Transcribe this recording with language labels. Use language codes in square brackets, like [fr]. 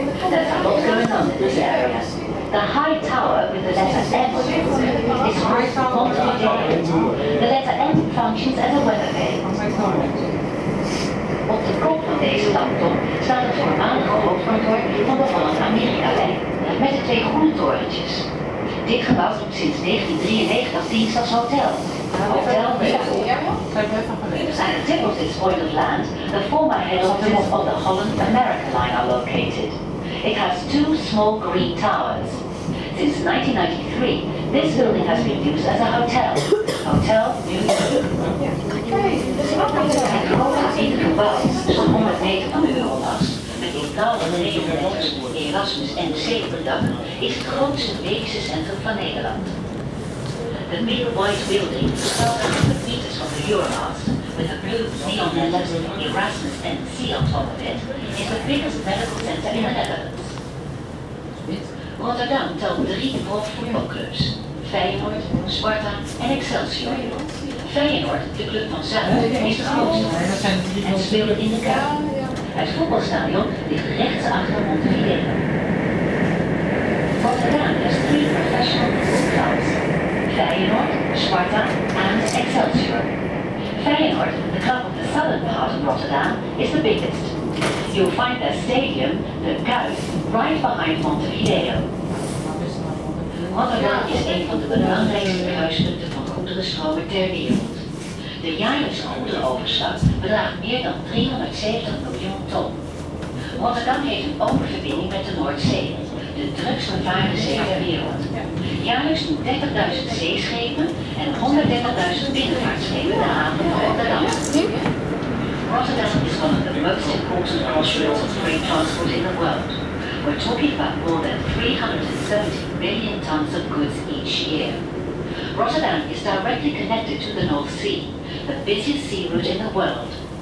[en] There's a lot going on in this area. The high tower with the letter M is called Montevideo. The letter M functions as a weather vane. [nl] Op de kop van deze landdom staat het voormalige hoofdkantoor van de Holland-Amerika-lijn met de twee groene torentjes. Dit gebouw doet sinds 1993 dienst als hotel. Aan de [en] tip of this point of land, the former head offices of the Holland America Line are located. It has two small green towers. Since 1993, this building has been used as a hotel. Hotel New York. [nl] Het gebouw gaat in de gebouw, zo'n 100 meter van de Eurobus, met een talen regelmatig Erasmus MC bedacht, is het grootste medische centrum van Nederland. [en] The middle white building, 1200 meters from the Euromast, with a blue neon letter Erasmus NC on top of it, is the biggest medical center in the Netherlands. [nl] Rotterdam telt drie grote voetbalclubs, Feyenoord, Sparta en Excelsior. Feyenoord, de club van Zuid, is de grootste en speelt in de Kuip. Het voetbalstadion ligt rechts achter Montevideo. Rotterdam heeft drie professionele voetbalclubs. Feyenoord, [en] Sparta and Excelsior. Feyenoord, the club of the southern part of Rotterdam, is the biggest. You'll find their stadium, the Kuip, right behind Montevideo. [nl] Rotterdam is een van de belangrijkste kruispunten van goederenstromen ter wereld. De jaarlijkse goederenoverslag bedraagt meer dan 370 miljoen ton. Rotterdam heeft een open verbinding met de Noordzee, de drukst vervaarde zee ter wereld. Jaarlijks doen 30.000 zeeschepen en 130.000 binnenvaartschepen de haven van Rotterdam. [en] Rotterdam is one of the most important crossroads of freight transport in the world. We're talking about more than 370 million tons of goods each year. Rotterdam is directly connected to the North Sea, the busiest sea route in the world.